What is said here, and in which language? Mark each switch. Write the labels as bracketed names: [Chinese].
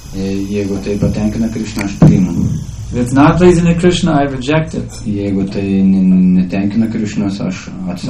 [Lithuanian] Jeigu tai patenkina Krishna, aš priimu. [English] If it's not pleasing to Krishna, I reject it. [Lithuanian] Jeigu tai netenkina Krishna, aš atsisakau.